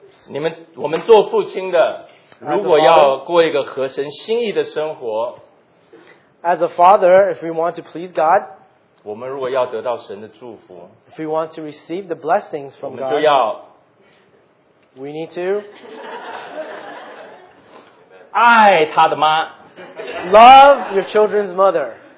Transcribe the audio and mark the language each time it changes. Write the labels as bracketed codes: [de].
[zh] 你们, 我们做父亲的, 如果要过一个合神心意的生活, [en] as a father, if we want to please God, [zh] 我们如果要得到神的祝福, [en] if we want to receive the blessings from [zh] 我们都要, [en] God, we need to [zh] 爱他的妈, [en] love your children's mother.